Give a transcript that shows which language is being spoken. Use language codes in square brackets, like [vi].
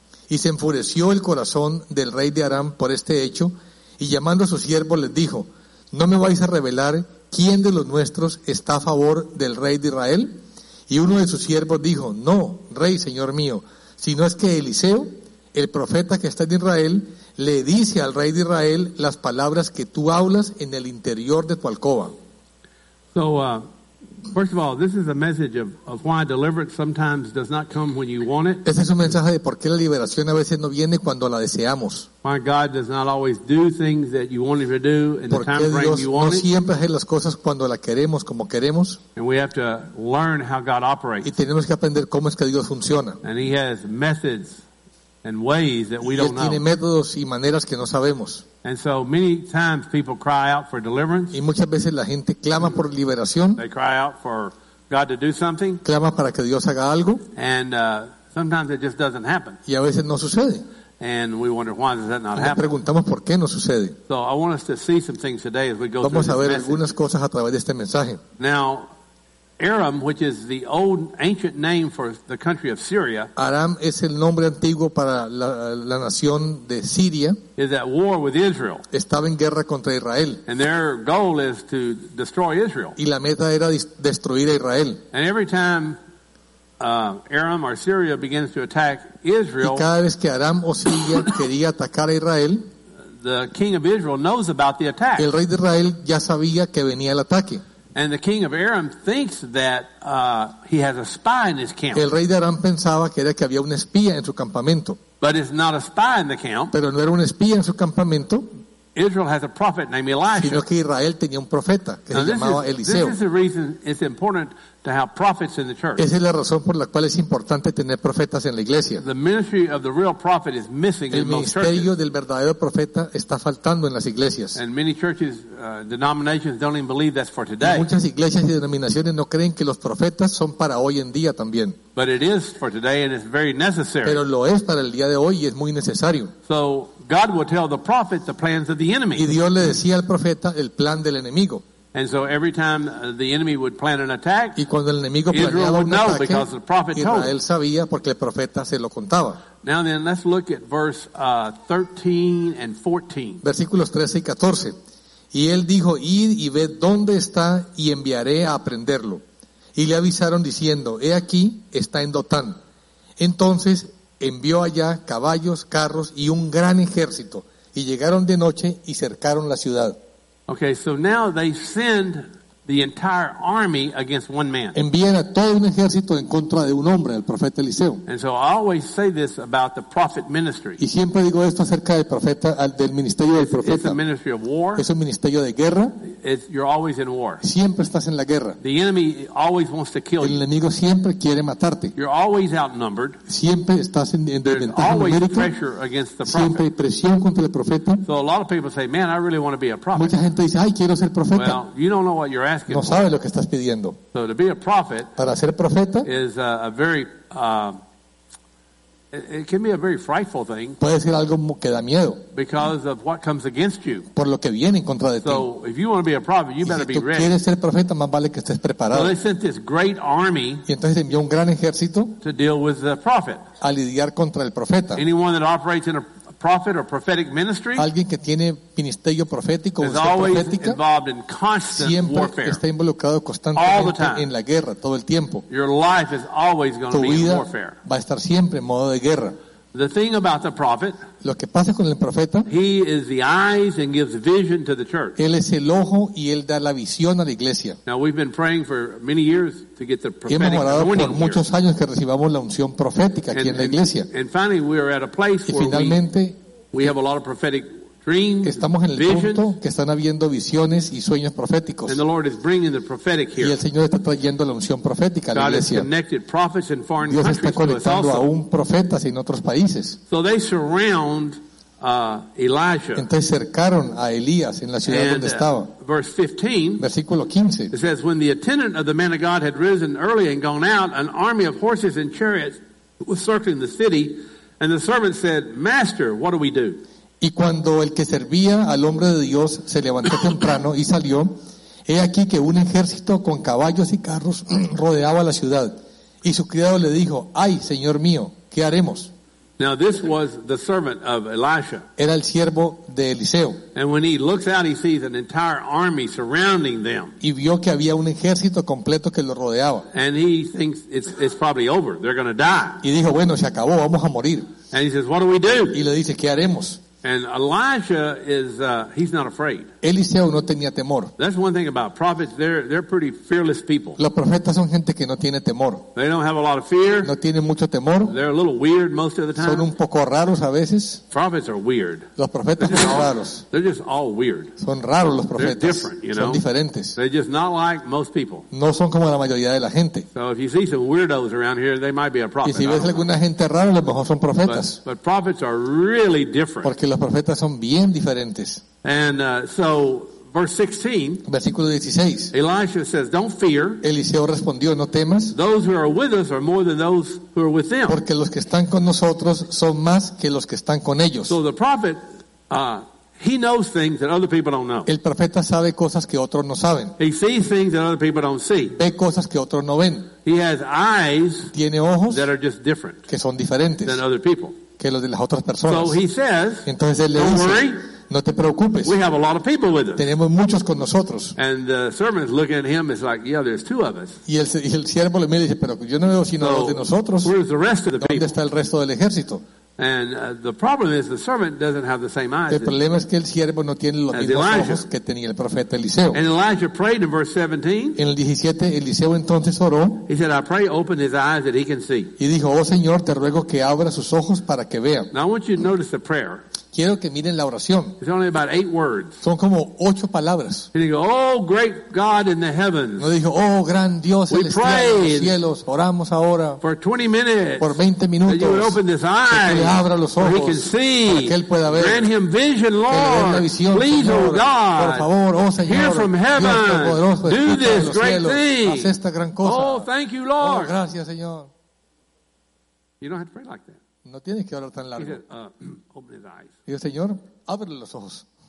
[es] Y se enfureció el corazón del rey de Aram por este hecho, y llamando a sus siervos les dijo: ¿no me vais a revelar quién de los nuestros está a favor del rey de Israel? Y uno de sus siervos dijo: no, rey, señor mío, sino es que Eliseo, el profeta que está en Israel, le dice al rey de Israel las palabras que tú hablas en el interior de tu alcoba. [en] So, first of all, this is a message of why deliverance sometimes does not come when you want it. [es] Este es un mensaje de por qué la liberación a veces no viene cuando la deseamos. [en] Why God does not always do things that you want him to do in the time frame you want it. [es] No siempre hace las cosas cuando la queremos como queremos. [en] And we have to learn how God operates. [es] Y tenemos que aprender cómo es que Dios funciona. [en] And he has methods and ways that we don't know. [es] Y tiene métodos y maneras que no sabemos. [en] And so many times people cry out for deliverance. [es] Y muchas veces la gente clama por liberación. [en] They cry out for God to do something. [es] Clama para que Dios haga algo. [en] And sometimes it just doesn't happen. [es] Y a veces no sucede. [en] And we wonder why does that not happen. [es] Y preguntamos por qué no sucede. [en] So I want us to see some things today as we go through this message. [es] Vamos a ver algunas cosas a través de este mensaje. [en] Now, Aram, which is the old ancient name for the country of Syria, [es] Aram es el nombre antiguo para la nación de Siria, [en] is at war with Israel. [es] Estaba en guerra contra Israel. [en] And their goal is to destroy Israel. [es] Y la meta era destruir a Israel. [en] And every time Aram or Syria begins to attack Israel, [es] y cada vez que Aram o Siria quería atacar a Israel, [en] the king of Israel knows about the attack. [es] El rey de Israel ya sabía que venía el ataque. [en] And the king of Aram thinks that he has a spy in his camp. [es] El rey de Aram pensaba que era que había un espía en su campamento. [en] But it's not a spy in the camp. [es] Pero no era un espía en su campamento. [en] Israel has a prophet named Elisha. [es] Sino que Israel tenía un profeta que se llamaba Eliseo. [en] This is the reason it's important to have prophets in the church. [es] Esa es la razón por la cual es importante tener profetas en la iglesia. [en] The ministry of the real prophet is missing in most churches. [es] El ministerio del verdadero profeta está faltando en las iglesias. [en] And many churches, denominations don't even believe that's for today. [es] Y muchas iglesias y denominaciones no creen que los profetas son para hoy en día también. [en] But it is for today and it's very necessary. [es] Pero lo es para el día de hoy y es muy necesario. [en] So God will tell the prophet the plans of the enemy. [es] Y Dios le decía al profeta el plan del enemigo. [en] And so every time the enemy would plan an attack, [es] y cuando el enemigo planeaba [en] Israel would [es] un ataque, [en] know because the prophet [es] Israel [en] told. [es] Israel sabía porque el profeta se lo contaba. [en] Now then, let's look at verse 13 and 14. [es] Versículos 13 y 14. Y él dijo: id y ved dónde está, y enviaré a aprenderlo. Y le avisaron diciendo: he aquí, está en Dotán. Entonces envió allá caballos, carros y un gran ejército, y llegaron de noche y cercaron la ciudad. [en] Okay, so now they send the entire army against one man. [es] Envían a todo un ejército en contra de un hombre, el profeta Eliseo. [en] And so I always say this about the prophet ministry. [es] Y siempre digo esto acerca del profeta, del ministerio del profeta. [en] It's a ministry of war. [es] Es un ministerio de guerra. [en] You're always in war. [es] Siempre estás en la guerra. [en] The enemy always wants to kill you. [es] El enemigo siempre quiere matarte. [en] You're always outnumbered. [es] Siempre estás en desventaja. [en] There's always pressure against the prophet. [es] Siempre hay presión contra el profeta. [en] So a lot of people say, man, I really want to be a prophet. [es] Mucha gente dice, ay, quiero ser profeta. [en] Well, you don't know what you're asking. [es] No sabes lo que estás pidiendo. [en] So to be a prophet, [es] para ser profeta, [en] is a very It can be a very frightful thing. [es] Puede ser algo que da miedo. [en] Because of what comes against you. [es] Por lo que viene en contra de ti. [en] So if you want to be a prophet, you better be ready. [es] Si tú quieres ser profeta, más vale que estés preparado. [en] So they sent this great army. [es] Y entonces envió un gran ejército. [en] To deal with the prophet. [es] A lidiar contra el profeta. [en] Anyone that operates in a prophet or prophetic ministry. [es] Alguien que tiene ministerio profético o profética. [en] Involved in constant warfare. [es] Siempre está involucrado constantemente en la guerra todo el tiempo. [en] Your life is always going to be in warfare. [es] Va a estar siempre en modo de guerra. [en] The thing about the prophet. [es] Lo que pasa con el profeta. [en] He is the eyes and gives vision to the church. [es] Él es el ojo y él da la visión a la iglesia. [en] Now we've been praying for many years to get the prophetic anointing. [es] Hemos orado por muchos años que recibamos la unción profética aquí en la iglesia. [en] And finally, we are at a place where we have a lot of prophetic dreams. [es] Estamos en el punto que están habiendo visiones y sueños proféticos. [en] And the Lord is bringing the prophetic here. [es] Y el Señor está trayendo la unción profética a la iglesia. [en] God has connected prophets in foreign countries. [es] Dios está conectando aún profetas en otros países. [en] So they surround Elijah. [es] Entonces cercaron a Elías en la ciudad donde estaba. Versículo 15. [en] It says, when the attendant of the man of God had risen early and gone out, an army of horses and chariots was circling the city, and the servant said, Master, what do we do? [es] Y cuando el que servía al hombre de Dios se levantó temprano y salió, he aquí que un ejército con caballos y carros rodeaba la ciudad. Y su criado le dijo, ay, señor mío, ¿qué haremos? [en] Now this was the servant of Elisha. [es] Era el siervo de Eliseo. [en] And when he looks out, he sees an entire army surrounding them. [es] Y vio que había un ejército completo que lo rodeaba. [en] And he thinks it's probably over. They're going to die. [es] Y dijo, bueno, se acabó, vamos a morir. [en] And he says, what do we do? [es] Y le dice, ¿qué haremos? [en] And Elijah is he's not afraid. [es] Eliseo no tenía temor. [en] That's one thing about prophets, they're pretty fearless people. [es] Los profetas son gente que no tiene temor. [en] They don't have a lot of fear. [es] No tienen mucho temor. [en] They're a little weird most of the time. [es] Son un poco raros a veces. [en] Prophets are weird. [es] Los profetas son raros. [en] They're just all weird. [es] Son raros los profetas. [en] They're different, you know. [es] Son diferentes. [en] They're just not like most people. [es] No son como la mayoría de la gente. [en] So if you see some weirdos around here, they might be a prophet. [es] Y si ves alguna gente rara, a lo mejor son profetas. [en] But prophets are really different. [es] Porque los profetas son bien diferentes. [en] And so verse 16, [es] versículo 16. [en] Elisha says, don't fear. [es] Eliseo respondió, no temas. [en] Those who are with us are more than those who are with them. [es] Porque los que están con nosotros son más que los que están con ellos. [en] So the prophet he knows things that other people don't know. [es] El profeta sabe cosas que otros no saben. [en] He sees things that other people don't see. [es] Ve cosas que otros no ven. [en] He has eyes. [es] Tiene ojos [en] that are just different. [es] Que son diferentes. [en] Than other people. [es] Que los de las otras personas. [en] So he says, [es] entonces él le [en] don't [es] dice, [en] worry. [es] No te preocupes. [en] We have a lot of people with us. [es] Tenemos muchos con nosotros. [en] And the servant is looking at him, it's like, yeah, there's two of us. [es] Y el siervo le mira y dice, pero yo no veo sino los de nosotros. [en] Where's the rest of the people? [es] ¿Dónde está el resto del ejército? [en] And the problem is the servant doesn't have the same eyes. [es] El problema es que el siervo no tiene los mismos ojos que tenía el profeta Eliseo. [en] And Elijah prayed in verse 17. [es] En el 17 Eliseo entonces oró. [en] He said, I pray, open his eyes that he can see. [es] Y dijo, oh Señor, te ruego que abra sus ojos para que vea. [en] Now I want you to notice the prayer. [es] Quiero que miren la oración. [en] It's only about 8 words. [es] Son como 8 palabras. [en] He didn't go, oh, great God in the heavens. [es] No dijo, oh, gran Dios en los cielos. Oramos ahora. [en] For 20 minutes. [es] Por 20 minutos. [en] That you would open his eyes. [es] Que él abra los ojos. [en] He can see. [es] Para que él pueda ver. [en] Grant him vision, Lord. [es] Que le dé la visión, [en] please, [es] Señor. [en] Oh God. [es] Por favor, oh Señor. [en] Hear from heaven. [es] Dios poderoso, [en] do this great [es] cielos. [en] Thing. [es] Haz esta gran cosa. [en] Oh, thank you, Lord. [es] Oh, gracias, Señor. [en] You don't have to pray like that. [es] No tienes que hablar tan largo. [en] Open his eyes. [es] Dice, Señor, ábrele los ojos.